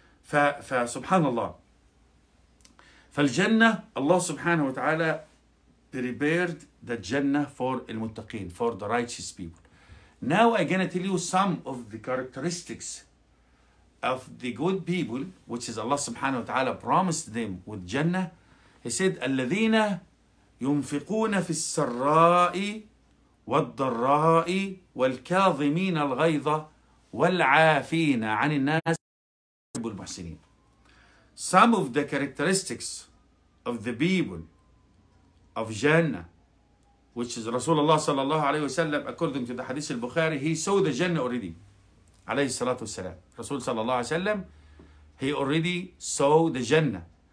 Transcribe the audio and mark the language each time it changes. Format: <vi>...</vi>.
<en>Subhanallah. فالجنة, Allah subhanahu wa ta'ala prepared the Jannah for المتقين, for the righteous people. Now I'm going to tell you some of the characteristics of the good people, which is Allah subhanahu wa ta'ala promised them with Jannah. He said,</en> <ar>الذين ينفقون في السراء والضراء والكاظمين الغيظة والعافين عن الناس والمحسنين.</ar> <en>Some of the characteristics of the people of Jannah, which is Rasulullah sallallahu alayhi wa sallam, according to the hadith al-Bukhari, he saw the Jannah already, alayhi salatu wa salam. Rasul sallallahu alayhi wa sallam, he already saw the Jannah.</en>